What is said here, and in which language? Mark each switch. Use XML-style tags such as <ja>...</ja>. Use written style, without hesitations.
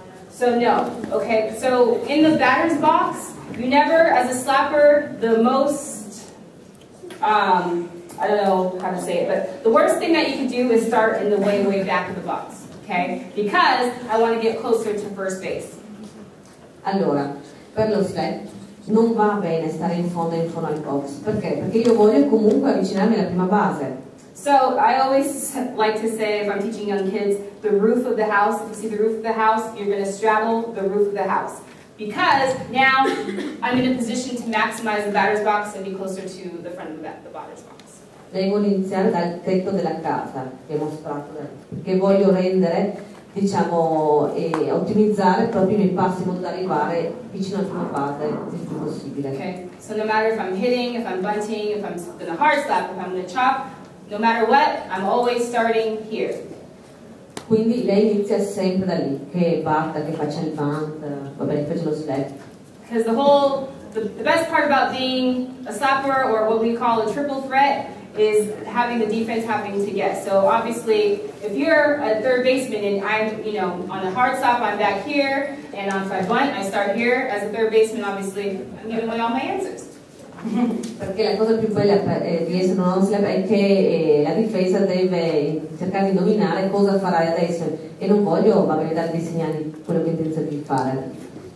<en>So no, okay, so in the batter's box, you never, as a slapper, the most, I don't know how to say it, but the worst thing that you can do is start in the way, way back of the box, okay? Because I want to get closer to first base.</en> <it>Allora, per lo slap, non va bene stare in fondo al box. Perché? Perché io voglio comunque avvicinarmi alla prima base.</it> <en>So I always like to say, if I'm teaching young kids, the roof of the house, if you see the roof of the house, you're going to straddle the roof of the house. Because now I'm in a position to maximize the batter's box and be closer to the front of the batter's box.</en> <it>Devo iniziare dal tetto della casa, che ho mostrato, che voglio rendere, diciamo, ottimizzare proprio i miei passi in modo da arrivare vicino alla prima base il più possibile.</it> <en>Okay, so no matter if I'm hitting, if I'm bunting, if I'm going to hard slap, if I'm going to chop, no matter what, I'm always starting here.</en> <it>Quindi lei inizia sempre da lì, che batta, che faccia il bunt, va bene, faccia lo slap.</it> <en>Because the best part about being a slapper, or what we call a triple threat, is having the defense having to guess. So obviously, if you're a third baseman and I'm, you know, on a hard slap, I'm back here, and on my bunt, I start here, as a third baseman, obviously, I'm giving away all my answers.</en> <it>Perché la cosa più bella di essere uno slap è che la difesa deve cercare di indovinare cosa farai adesso e non voglio magari dare dei segnali di quello che intenzio di fare.</it>